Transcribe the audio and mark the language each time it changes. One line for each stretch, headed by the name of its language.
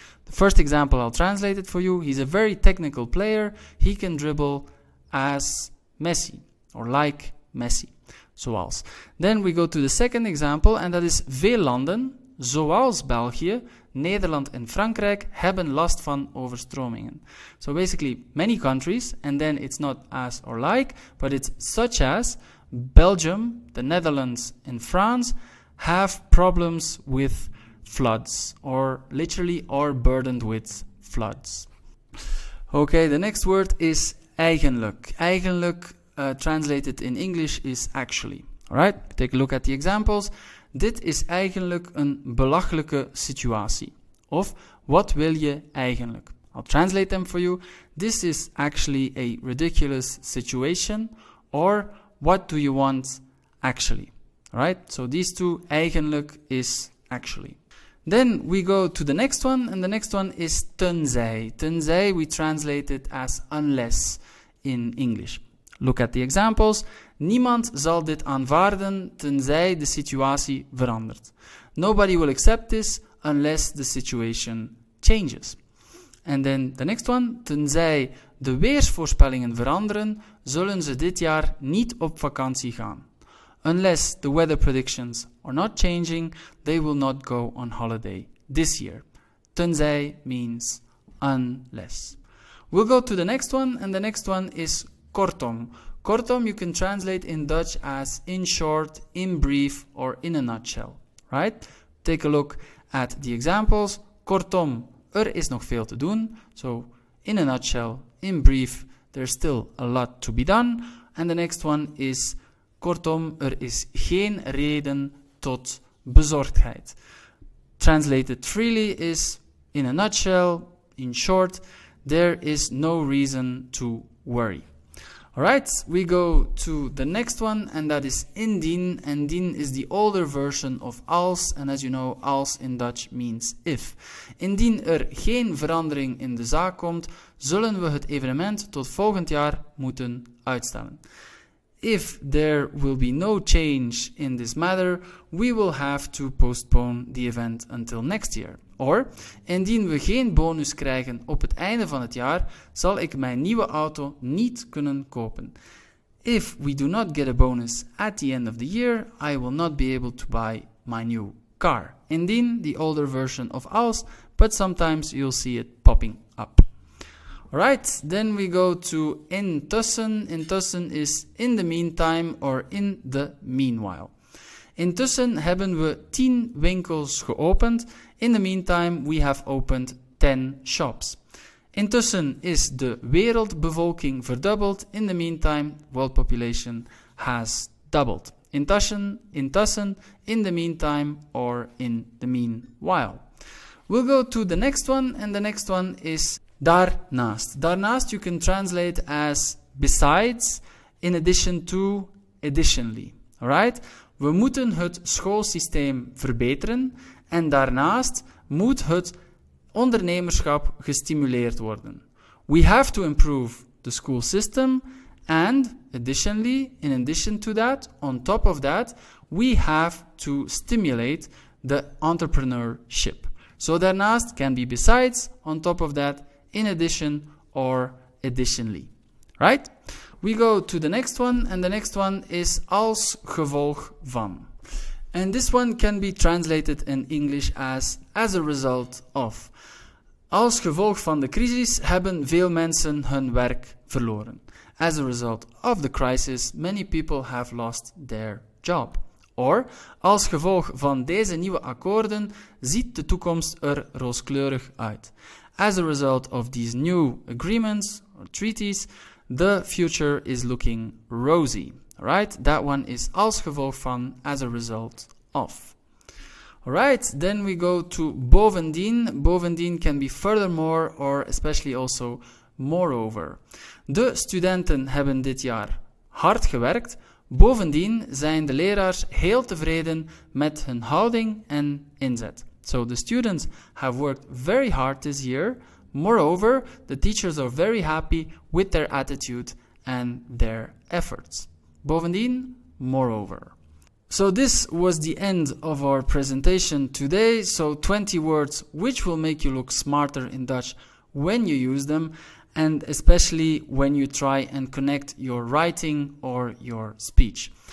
English: The first example I'll translate it for you. He's a very technical player. He can dribble as Messi or like Messi, zoals. Then we go to the second example and that is
Dutch: veel landen, zoals België, Nederland en Frankrijk, hebben last van overstromingen.
English: So basically many countries and then it's not as or like, but it's such as Belgium, the Netherlands and France have problems with floods, or literally are burdened with floods. Okay, the next word is eigenlijk. Eigenlijk, translated in English, is actually. Alright, take a look at the examples.
Dutch: Dit is eigenlijk een belachelijke situatie. Of, wat wil je eigenlijk?
English: I'll translate them for you. This is actually a ridiculous situation. Or, what do you want actually? Alright, so these two, eigenlijk is actually. Then we go to the next one, and the next one is tenzij. Tenzij, we translate it as unless in English. Look at the examples.
Dutch: Niemand zal dit aanvaarden tenzij de situatie verandert.
English: Nobody will accept this unless the situation changes. And then the next one.
Dutch: Tenzij de weersvoorspellingen veranderen, zullen ze dit jaar niet op vakantie gaan.
English: Unless the weather predictions are not changing, they will not go on holiday this year. Tenzij means unless. We'll go to the next one, and the next one is kortom. Kortom, you can translate in Dutch as in short, in brief, or in a nutshell, right? Take a look at the examples.
Dutch: Kortom, er is nog veel te doen.
English: So, in a nutshell, in brief, there's still a lot to be done. And the next one is
Dutch: kortom, er is geen reden tot bezorgdheid.
English: Translated freely is, in a nutshell, in short, there is no reason to worry. Alright, we go to the next one and that is indien. Indien is the older version of als and as you know, als in Dutch means if.
Dutch: Indien er geen verandering in de zaak komt, zullen we het evenement tot volgend jaar moeten uitstellen.
English: If there will be no change in this matter, we will have to postpone the event until next year.
Dutch: Or, indien we geen bonus krijgen op het einde van het jaar, zal ik mijn nieuwe auto niet kunnen kopen.
English: If we do not get a bonus at the end of the year, I will not be able to buy my new car. Indien the older version of ours, but sometimes you'll see it popping up. Alright, then we go to intussen. Intussen is in the meantime or in the meanwhile.
Dutch: Intussen hebben we 10 winkels geopend.
English: In the meantime, we have opened 10 shops.
Dutch: Intussen is de wereldbevolking verdubbeld.
English: In the meantime, world population has doubled. Intussen, in the meantime or in the meanwhile. We'll go to the next one, and the next one is daarnaast. Daarnaast you can translate as besides, in addition to, additionally. Alright?
Dutch: We moeten het schoolsysteem verbeteren en daarnaast moet het ondernemerschap gestimuleerd worden.
English: We have to improve the school system and additionally, in addition to that, on top of that, we have to stimulate the entrepreneurship. So daarnaast can be besides, on top of that, in addition or additionally. Right? We go to the next one, and the next one is als gevolg van. And this one can be translated in English as a result of.
Dutch: Als gevolg van de crisis hebben veel mensen hun werk verloren.
English: As a result of the crisis, many people have lost their job.
Dutch: Or, als gevolg van deze nieuwe akkoorden ziet de toekomst er rooskleurig uit.
English: As a result of these new agreements or treaties, the future is looking rosy, right? That one is als gevolg van, as a result of. Alright, then we go to bovendien. Bovendien can be furthermore or especially also moreover.
Dutch: De studenten hebben dit jaar hard gewerkt. Bovendien zijn de leraars heel tevreden met hun houding en inzet.
English: So the students have worked very hard this year. Moreover, the teachers are very happy with their attitude and their efforts. Bovendien, moreover. So this was the end of our presentation today. So 20 words which will make you look smarter in Dutch when you use them, and especially when you try and connect your writing or your speech.